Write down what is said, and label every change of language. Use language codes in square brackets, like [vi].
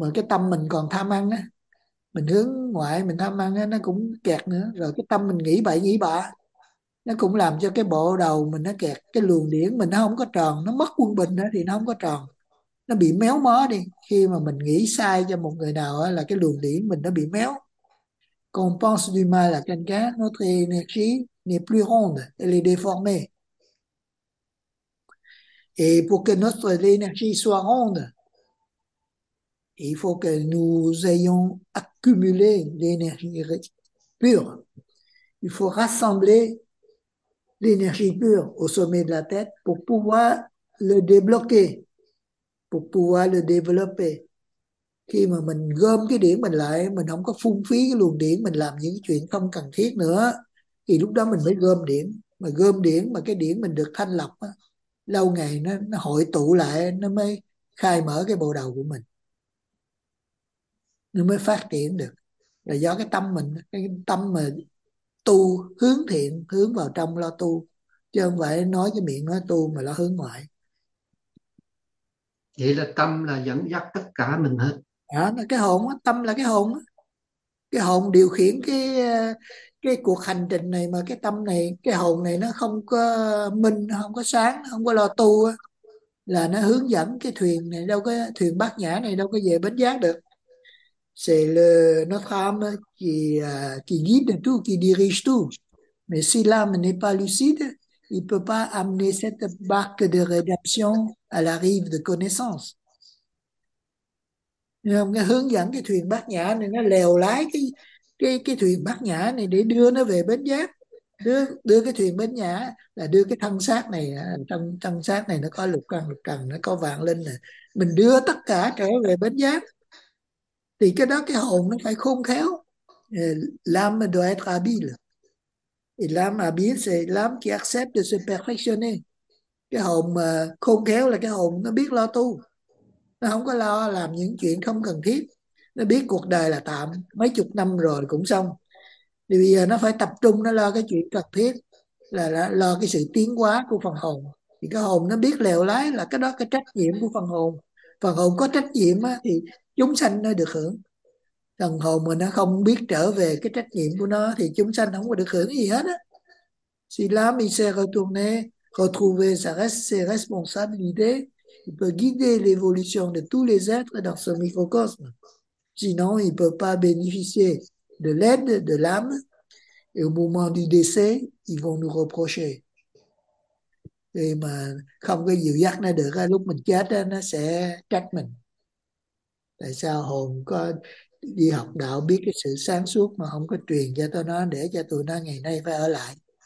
[vi] Mà cái tâm mình còn tham ăn á, mình hướng ngoại mình tham ăn á, nó cũng kẹt nữa. Rồi cái tâm mình nghĩ bậy nghĩ bạ nó cũng làm cho cái bộ đầu mình nó kẹt, cái luồng điển mình nó không có tròn, nó mất quân bình đó thì nó không có tròn, nó bị méo mó đi. Khi mà mình nghĩ sai cho một người nào á, là cái luồng điển mình nó bị méo. [fr] Qu'on pense du mal à quelqu'un, notre énergie n'est plus ronde, elle est déformée. Et pour que notre énergie soit ronde, il faut que nous ayons accumulé l'énergie pure. Il faut rassembler l'énergie pure au sommet de la tête pour pouvoir débloquer, pour pouvoir le développer. [vi] Khi mà mình gom cái điểm mình lại, mình không có phung phí cái luồng điểm, mình làm những chuyện không cần thiết nữa, thì lúc đó mình mới gom điểm. Mà gom điểm mà cái điểm mình được thanh lọc á, lâu ngày nó hội tụ lại, nó mới khai mở cái bộ đầu của mình, nó mới phát triển được. Là do cái tâm mình, cái tâm mà tu hướng thiện, hướng vào trong lo tu, chứ không phải nói cái miệng nói tu mà lo hướng ngoại. Vậy là tâm là dẫn dắt tất cả mình hết. Đó, là cái hồn đó, tâm là cái hồn đó. Cái hồn điều khiển cái cuộc hành trình này, mà cái tâm này, cái hồn này nó không có minh, nó không có sáng, nó không có lo tu đó, là nó hướng dẫn cái thuyền này đâu có, thuyền Bát Nhã này đâu có về bến giác được. [fr] C'est le notre âme qui guide tout, qui dirige tout. Mais si l'âme n'est pas lucide, il peut pas amener cette barque de rédemption à la rive de connaissance. [vi] Nghe không? Nghe hướng dẫn cái thuyền Bát Nhã này, nó lèo lái cái thuyền Bát Nhã này để đưa nó về bến giác. Đưa cái thuyền bến nhã là đưa cái thân xác này, trong thân xác này nó có lục trần, nó có vạn linh này. Mình đưa tất cả trở về bến giác, thì cái đó cái hồn nó phải khôn khéo. [fr] L'âme doit être habile. Et l'âme habile, c'est l'âme qui accepte de se perfectionner. [vi] Cái hồn mà khôn khéo là cái hồn nó biết lo tu, nó không có lo làm những chuyện không cần thiết, nó biết cuộc đời là tạm, mấy chục năm rồi cũng xong, thì bây giờ nó phải tập trung, nó lo cái chuyện cần thiết, là lo cái sự tiến hóa của phần hồn. Thì cái hồn nó biết lèo lái là cái đó cái trách nhiệm của phần hồn. Phần hồn có trách nhiệm á, thì chúng sanh nó được hưởng. Phần hồn mà nó không biết trở về cái trách nhiệm của nó thì chúng sanh không có được hưởng gì hết á. [fr] Si l'âme sait retourner, retrouver sa responsabilité, il peut guider l'évolution de tous les êtres dans ce microcosme. Sinon, il ne peut pas bénéficier de l'aide de l'âme. Et au moment du décès, ils vont nous reprocher. [vi] Et mà không có dìu dắt nó được, lúc mình chết nó sẽ trách mình. Tại sao hồn có đi học đạo biết cái sự sáng suốt mà không có truyền cho tụi nó, để cho tụi nó ngày nay phải ở lại.